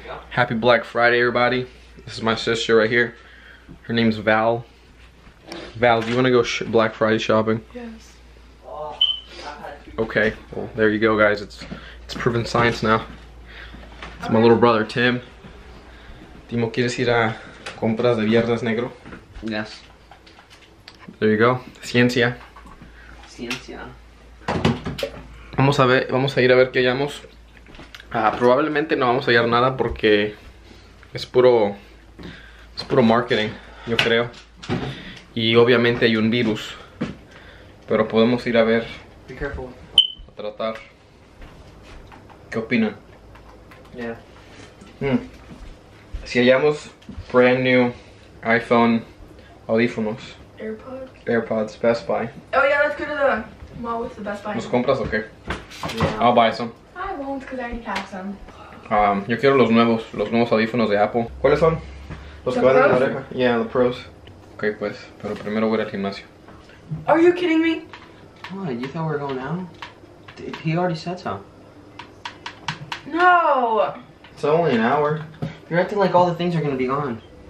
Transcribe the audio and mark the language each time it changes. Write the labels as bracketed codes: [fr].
[en] Happy Black Friday, everybody. This is my sister right here. Her name's Val. Val, do you want to go Black Friday shopping? Yes. Okay, well, there you go, guys. It's proven science now. It's my little brother, Tim. [es] Timo, ¿quieres ir a compras de viernes negro? [en] Yes. There you go. [es] Ciencia. Ciencia. Vamos a ver, vamos a ir a ver qué hallamos. Probablemente no vamos a hallar nada porque es puro marketing, yo creo. Y obviamente hay un virus. Pero podemos ir a ver. [en] Be careful. [es] A tratar. ¿Qué opinan? [en] Yeah. [es] Si hallamos [en] brand new [es] iPhone audífonos. [en] AirPods, Best Buy. Oh yeah, let's go to the mall with the Best Buy. [es] ¿Los compras o qué? [en] Yeah. I'll buy some. I won't because I already have some. [es] Yo quiero los nuevos audífonos de Apple. ¿Cuáles son? Los que van en la oreja. [en] Yeah, the pros. [es] Ok, pues, pero primero voy al gimnasio. [en] Are you kidding me? What, you thought we were going out? He already said so. No! It's only an hour. You're acting like all the things are gonna be gone.